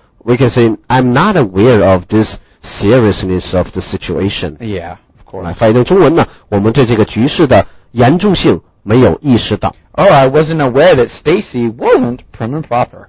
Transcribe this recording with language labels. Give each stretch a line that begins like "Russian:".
English: We can say I'm not aware of thisseriousness of the situation. Yeah, of course.
Chinese: 来翻译成中文呢，我们对这个局势的严重性没有意识到。
English: Oh, I wasn't aware that Stacy wasn't prim and proper.